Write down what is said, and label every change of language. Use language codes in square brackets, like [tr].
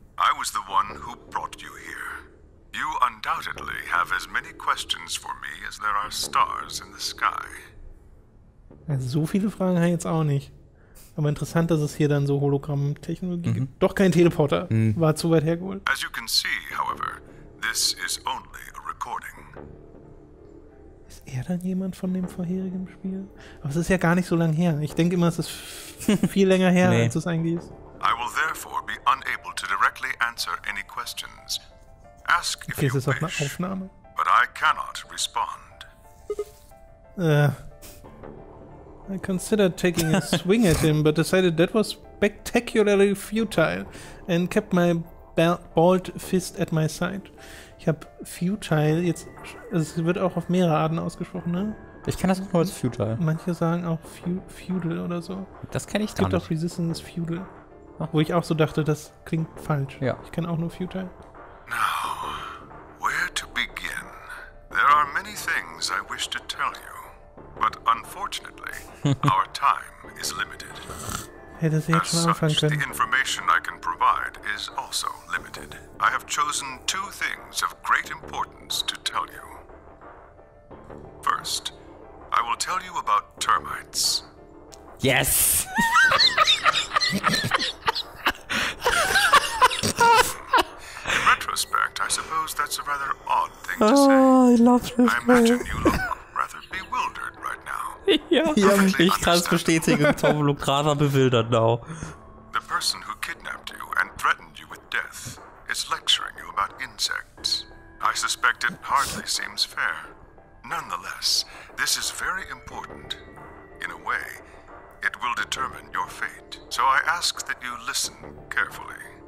[en] I was the one who brought you here. You undoubtedly have as many questions for me as there are stars in the sky. [de] Also so viele Fragen habe ich jetzt auch nicht. Aber interessant, dass es hier dann so Hologramm-Technologie gibt. Doch kein Teleporter. War zu weit hergeholt. [en] As you can see, however, this is only a recording. [de] Ist er dann jemand von dem vorherigen Spiel? Aber es ist ja gar nicht so lang her. Ich denke immer, es ist viel länger her, nee, als es eigentlich ist. [en] I will therefore be unable to directly answer any questions. Ask if okay, you [de] ist auch eine Aufnahme. [en] But I cannot respond. I considered taking a swing at him, but decided that was spectacularly futile and kept my bald fist at my side. [de] Ich habe futile jetzt, also es wird auch auf mehrere Arten ausgesprochen, ne? Ich kenne das auch nur als futile. Manche sagen auch feudal oder so. Das kenne ich gar nicht. Es gibt auch Resistance feudal, wo ich auch so dachte, das klingt falsch. Ja. Ich kenne auch nur futile. [en] Now, where to begin? There are many things I wish to tell you. But unfortunately, our time is limited. [de] Hätte sie jetzt mal anfangen können. [en] The information I can provide is also limited. I have chosen two things of great importance to tell you. First, I will tell you about termites. Yes! In retrospect, I suppose that's a rather odd thing to oh, say. Oh, I love this I imagine you look rather bewildered. [de] Ja, ich kann es bestätigen, Tom [en] look rather [de] bewildert now. [en] The person who kidnapped you and threatened you with death is lecturing you about insects. I suspect it hardly seems fair. Nonetheless, this is very important. In a way, it will determine your fate. So I ask that you listen carefully.